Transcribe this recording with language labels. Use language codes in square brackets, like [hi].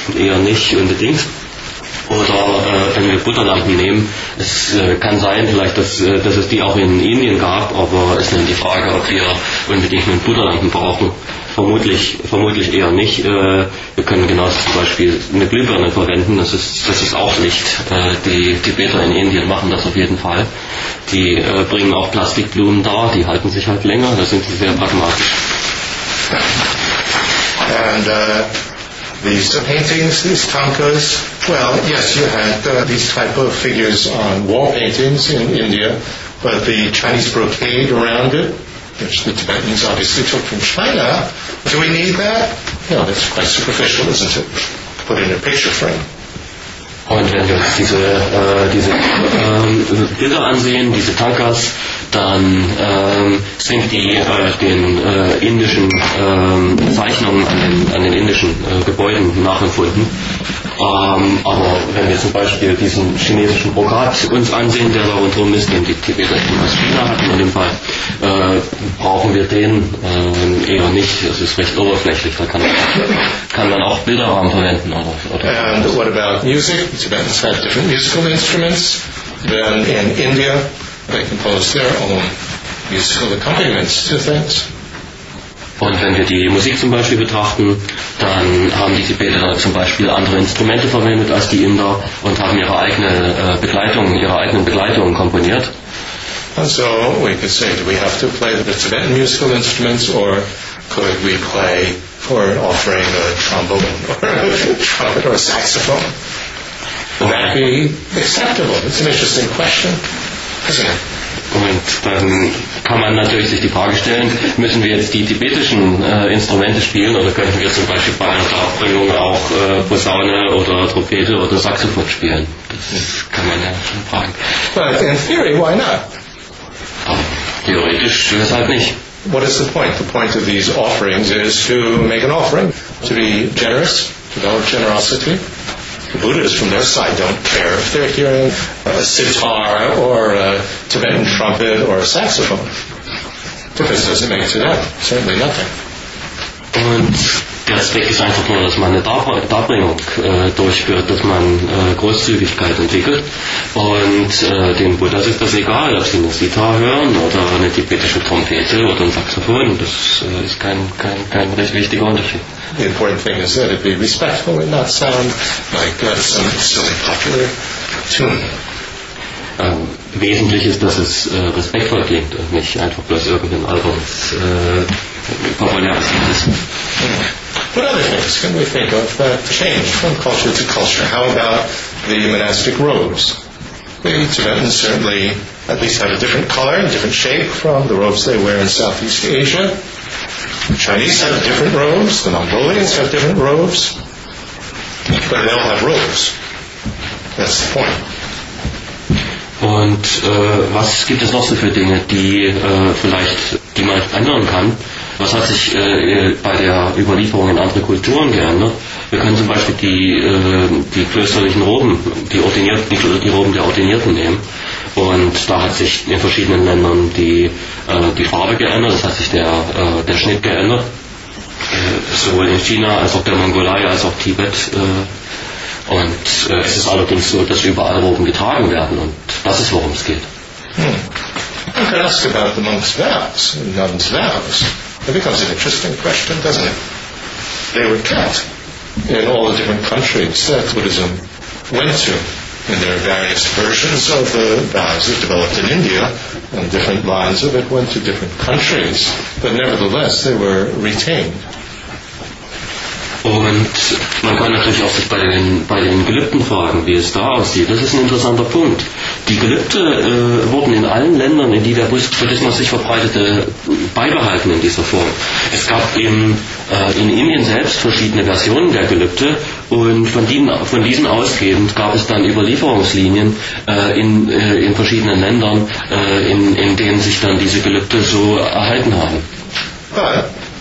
[de] Eher nicht unbedingt. Oder wenn wir Butterlampen nehmen, es kann sein vielleicht, dass es die auch in Indien gab, aber es ist dann die Frage, ob wir unbedingt einen Butterlampen brauchen. Vermutlich eher nicht. Wir können genauso zum Beispiel eine Glühbirne verwenden, das ist auch Licht. Die Tibeter in Indien machen das auf jeden Fall. Die bringen auch Plastikblumen da, die halten sich halt länger, da sind sie sehr pragmatisch. [en] And, these paintings, these tankas, well, yes, you had these type of figures on wall paintings in India, but the Chinese brocade around it, which the Tibetans obviously took from China, do we need that? No, that's quite superficial, isn't it? Put in a picture frame. [de] Und wenn wir uns diese Bilder ansehen, diese Tankas, dann sind die den indischen Zeichnungen an den indischen Gebäuden nachempfunden. Aber wenn wir zum Beispiel diesen chinesischen Brokat uns ansehen, der da rundherum ist, den die Tibeter aus China hatten in dem Fall, brauchen wir den eher nicht. Es ist recht oberflächlich. Da kann man auch Bilderrahmen verwenden. Oder [en] and what about music? The Tibetans have different musical instruments than in India. They compose their own musical accompaniments to things. [de] Und wenn wir die Musik zum Beispiel betrachten, dann haben die Tibeter zum Beispiel andere Instrumente verwendet als die Inder und haben ihre eigene Begleitungen komponiert. [en] And so we could say, do we have to play the Tibetan musical instruments or could we play for offering a trombone or a trumpet or a saxophone? Would that be acceptable? It's an interesting question, isn't it? [de] Und dann kann man natürlich sich die Frage stellen, müssen wir jetzt die tibetischen Instrumente spielen oder könnten wir zum Beispiel bei einer Darbringung auch Posaune oder Trompete oder Saxophon spielen? Das kann man ja schon fragen. [en] But in theory, why not? [de] Aber theoretisch, weshalb nicht? [en] What is the point? The point of these offerings is to make an offering, to be generous, to develop generosity. The Buddhas, from their side, don't care if they're hearing a sitar or a Tibetan trumpet or a saxophone. The difference doesn't make to them. Certainly nothing. [de] Und der Aspekt ist einfach nur, dass man eine Darbringung durchführt, dass man Großzügigkeit entwickelt. Und dem Buddha ist das egal, ob sie eine Sitar hören oder eine tibetische Trompete oder ein Saxophon. Das ist kein recht wichtiger Unterschied. [en] The important thing is that it be respectful and not sound like some silly popular tune. [de] Wesentlich ist, dass es respektvoll klingt und nicht einfach bloß irgendein alberes populäres Lied ist. [en] What other things can we think of that change from culture to culture? How about the monastic robes? The Tibetans certainly at least have a different color and different shape from the robes they wear in Southeast Asia. The Chinese have different robes. The Mongolians have different robes. But they all have robes. That's the point. [de] Und was gibt es noch so für Dinge, die vielleicht, die man ändern kann? Was hat sich bei der Überlieferung in andere Kulturen geändert? Wir können zum Beispiel die klösterlichen Roben, die Roben der Ordinierten nehmen. Und da hat sich in verschiedenen Ländern die Farbe geändert, das hat sich der Schnitt geändert. Sowohl in China als auch der Mongolei als auch Tibet. Und es ist allerdings so, dass überall Roben getragen werden und das ist, worum es geht. Hm. [en] You can ask about the monks' vows, nuns' vows. It becomes an interesting question, doesn't it? They were taught in all the different countries that Buddhism went to. And there are various versions of the vows that developed in India, and different lines of it went to different countries. But nevertheless, they were retained. [de] Und man kann natürlich auch sich bei den Gelübden fragen, wie es da aussieht. Das ist ein interessanter Punkt. Die Gelübde wurden in allen Ländern, in die der Buddhismus sich verbreitete, beibehalten in dieser Form. Es gab in Indien selbst verschiedene Versionen der Gelübde und von diesen ausgehend gab es dann Überlieferungslinien in verschiedenen Ländern, in denen sich dann diese Gelübde so erhalten haben.